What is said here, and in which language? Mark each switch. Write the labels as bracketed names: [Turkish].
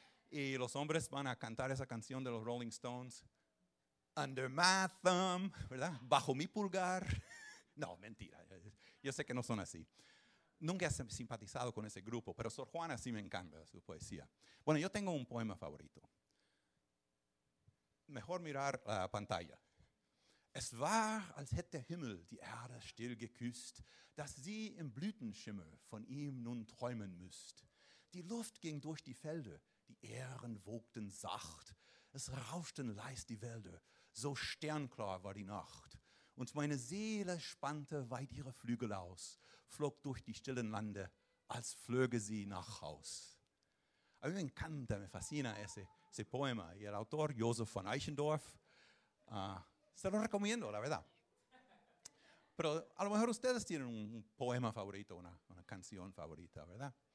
[Spanish] Y los hombres van a cantar esa canción de los Rolling Stones, Under My Thumb, ¿verdad? Bajo mi pulgar. No, mentira, yo sé que no son así. Nunca he simpatizado con ese grupo, pero Sor Juana sí me encanta su poesía. Bueno, yo tengo un poema favorito. Mejor mirar la pantalla. [German] Es war, als hätte der Himmel die Erde still geküsst, dass sie im Blütenschimmer von ihm nun träumen müsst. Die Luft ging durch die Felder, die Ähren wogten sacht, es rauschten leis die Wälder, so sternklar war die Nacht. Und meine Seele spannte weit ihre Flügel aus, flog durch die stillen Lande, als flöge sie nach Haus. [Spanish] A mí me encanta, me fascina ese poema. Y el autor, Josef von Eichendorff, se lo recomiendo, la verdad. Pero a lo mejor ustedes tienen un poema favorito, una canción favorita, ¿verdad?